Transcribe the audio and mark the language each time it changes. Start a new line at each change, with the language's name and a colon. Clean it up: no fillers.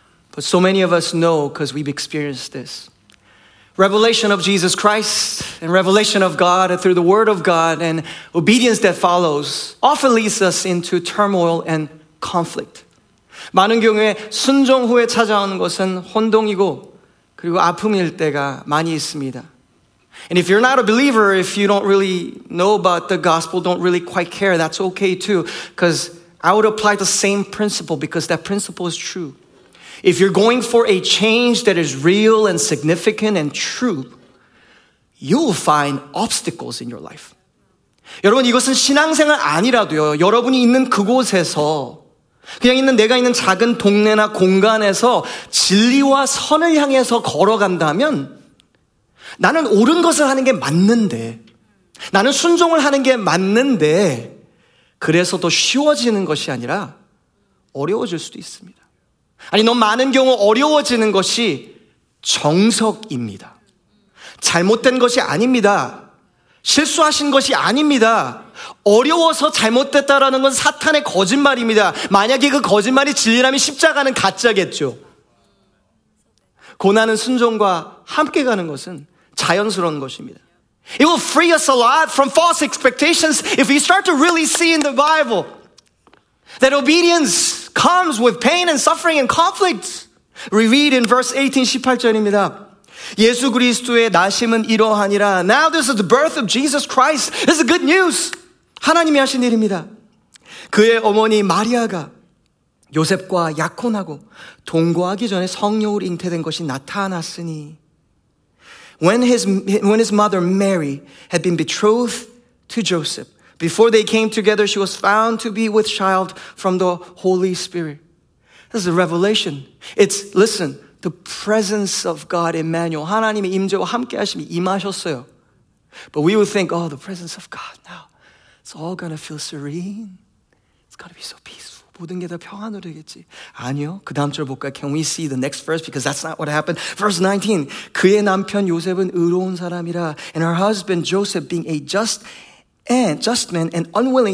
English: But so many of us know because we've experienced this. Revelation of Jesus Christ and revelation of God through the word of God and obedience that follows often leads us into turmoil and conflict.
Korean: 많은 경우에 순종 후에 찾아오는 것은 혼동이고 그리고 아픔일 때가 많이 있습니다.
English: And if you're not a believer, if you don't really know about the gospel, don't really quite care, that's okay too. Because I would apply the same principle because that principle is true. If you're going for a change that is real and significant and true, you'll find obstacles in your life.
Korean: 여러분, 이것은 신앙생활 아니라도요. 여러분이 있는 그곳에서 그냥 있는 내가 있는 작은 동네나 공간에서 진리와 선을 향해서 걸어간다면 나는 옳은 것을 하는 게 맞는데 나는 순종을 하는 게 맞는데 그래서 더 쉬워지는 것이 아니라 어려워질 수도 있습니다. 아니 너무 많은 경우 어려워지는 것이 정석입니다. 잘못된 것이 아닙니다. 실수하신 것이 아닙니다. 어려워서 잘못됐다라는 건 사탄의 거짓말입니다. 만약에 그 거짓말이 진리라면 십자가는 가짜겠죠. 고난은 순종과 함께 가는 것은 자연스러운 것입니다.
English: It will free us a lot from false expectations if we start to really see in the Bible that obedience comes with pain and suffering and conflict. We read in verse 18,
Korean: 18절입니다. 예수 그리스도의 나심은 이러하니라.
English: Now this is the birth of Jesus Christ. This is good news.
Korean: 하나님이 하신 일입니다. 그의 어머니 마리아가 요셉과 약혼하고 동거하기 전에 성령으로 잉태된 것이 나타났으니
English: When his mother Mary had been betrothed to Joseph, before they came together, she was found to be with child from the Holy Spirit. This is a revelation. It's, listen, the presence of God Emmanuel.
Korean: 하나님의 임재와 함께 하심이 임하셨어요.
English: But we would think, oh, the presence of God now. It's all gonna feel serene. It's gonna be so peaceful.
Korean: 모든 게 다 평안으로 되겠지. 아니요. 그 다음 절 볼까요?
English: Can we see the next verse? Because that's not what happened. Verse 19.
Korean: 그의 남편 요셉은 의로운 사람이라.
English: And her husband Joseph being a just man and unwilling.